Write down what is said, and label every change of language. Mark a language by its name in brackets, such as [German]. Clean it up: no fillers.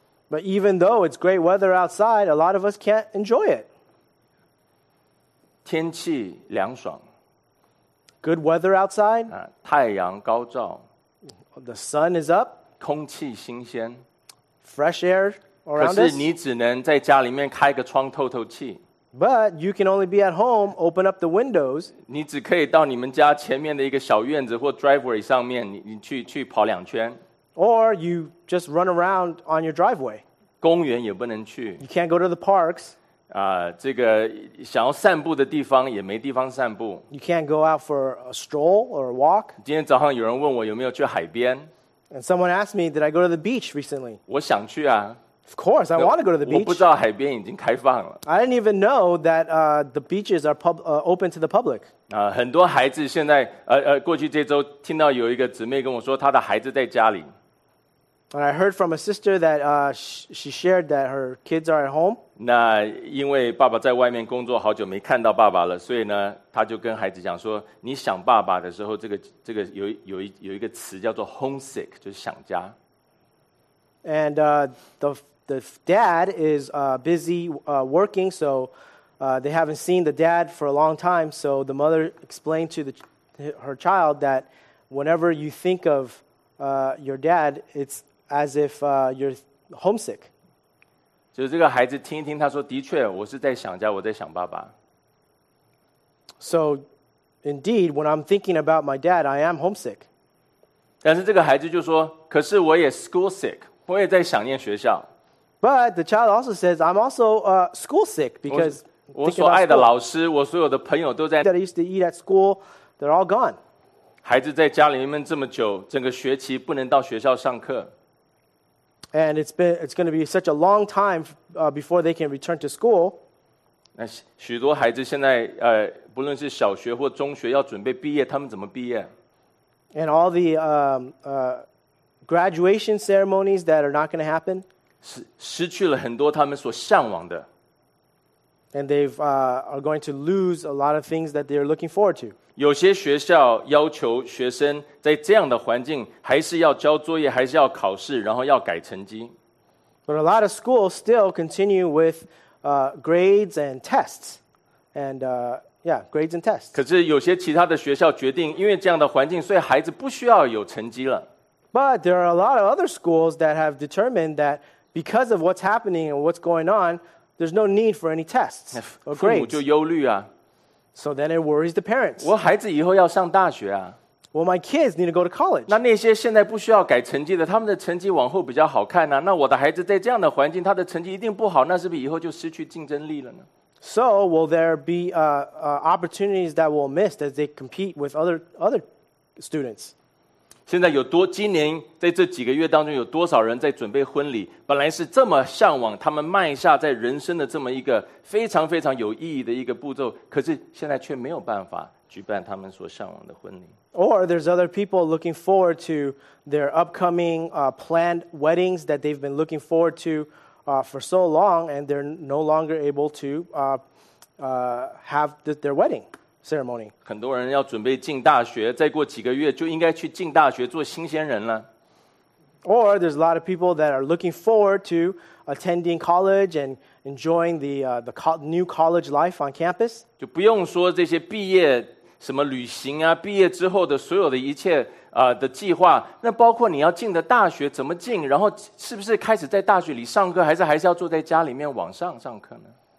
[English] But even though it's great weather outside, a lot of us can't enjoy it. [Chinese] 天气凉爽。 [English] Good weather outside. [Chinese] 太阳高照。 [English] The sun is up. [Chinese] 空气新鲜。 [English] Fresh air around us. [Chinese] 可是你只能在家里面开个窗透透气。 [English] But you can only be at home, open up the windows. [Chinese] 你只可以到你们家前面的一个小院子或 driveway 上面 你去跑两圈。 [English] Or you just run around on your driveway. [Chinese] 公园也不能去。 [English] You can't go to the parks. [Chinese] 这个想要散步的地方也没地方散步。 [English] You can't go out for a stroll or a walk. [Chinese] 今天早上有人问我有没有去海边。 [English] And someone asked me, did I go to the beach recently? [Chinese] 我想去啊。 [English] Of course, I want to go to the beach. [Chinese] 我不知道海边已经开放了。 [English] I didn't even know that the beaches are open to the public. [Chinese] 很多孩子现在过去这周听到有一个姊妹跟我说她的孩子在家里。 [English] And I heard from a sister that she shared that her kids are at home. [Chinese] 那因为爸爸在外面工作好久没看到爸爸了，所以呢，他就跟孩子讲说，你想爸爸的时候，这个有一个词叫做 homesick， 就是想家。 [English] And the dad is busy working, so they haven't seen the dad for a long time. So the mother explained to her child that whenever you think of your dad, it's as if you're homesick. [Chinese] 就这个孩子听一听，他说：“的确，我是在想家，我在想爸爸。” [English] So indeed, when I'm thinking about my dad, I am homesick. [Chinese] 但是这个孩子就说：“可是我也 [English] school sick。” [Chinese] 我也在想念学校。 [English] But the child also says, I'm also school sick because [Chinese] 我所爱的老师，我所有的朋友都在 [English] that I used to eat at school, they're all gone. [Chinese] 孩子在家里面这么久，整个学期不能到学校上课。 [English] And it's going to be such a long time before they can return to school. [Chinese] 那许多孩子现在不论是小学或中学要准备毕业，他们怎么毕业？ [English] And all the graduation ceremonies that are not going to happen. [Chinese] 失去了很多他们所向往的。 [English] And they've are going to lose a lot of things that they're looking forward to. [Chinese] 有些学校要求学生在这样的环境还是要交作业，还是要考试，然后要改成绩。 [English] But a lot of schools still continue with grades and tests. And grades and tests. [Chinese] 可是有些其他的学校决定，因为这样的环境，所以孩子不需要有成绩了。 [English] But there are a lot of other schools that have determined that because of what's happening and what's going on, there's no need for any tests or grades. [Chinese] 父母就忧虑啊。 [English] So then it worries the parents. [Chinese] 我孩子以后要上大学啊。 [English] Well, my kids need to go to college. [Chinese] 那些现在不需要改成绩的，他们的成绩往后比较好看啊。那我的孩子在这样的环境，他的成绩一定不好，那是不是以后就失去竞争力了呢？ [English] So will there be opportunities that we'll miss as they compete with other students? [Chinese] 现在有多今年在这几个月当中有多少人在准备婚礼，本来是这么向往他们迈下在人生的这么一个非常非常有意义的一个步骤，可是现在却没有办法举办他们所向往的婚礼。 [English] Or there's other people looking forward to their upcoming planned weddings that they've been looking forward to for so long, and they're no longer able to have their wedding ceremony. [Chinese] 很多人要准备进大学，再过几个月就应该去进大学做新鲜人了。 [English] Or there's a lot of people that are looking forward to attending college and enjoying the new college life on campus. [Chinese] 就不用说这些毕业什么旅行啊，毕业之后的所有的一切的计划，那包括你要进的大学怎么进，然后是不是开始在大学里上课，还是要坐在家里面网上上课呢？